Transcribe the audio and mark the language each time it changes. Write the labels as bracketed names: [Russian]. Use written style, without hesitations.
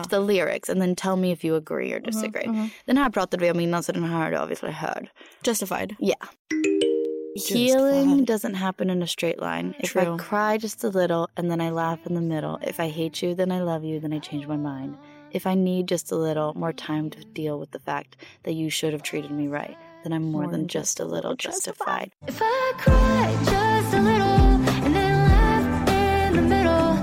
[English] Upp the lyrics and then tell me if you agree or disagree. Mm-hmm. [Swedish] Den här pratade vi om innan, så den här har du [English] obviously heard. Justified. Yeah. Healing doesn't happen in a straight line. True. If I cry just a little and then I laugh in the middle. If I hate you, then I love you, then I change my mind. If I need just a little more time to deal with the fact that you should have treated me right. Then I'm more than just a little justified. If I cry just a little and then laugh in the middle.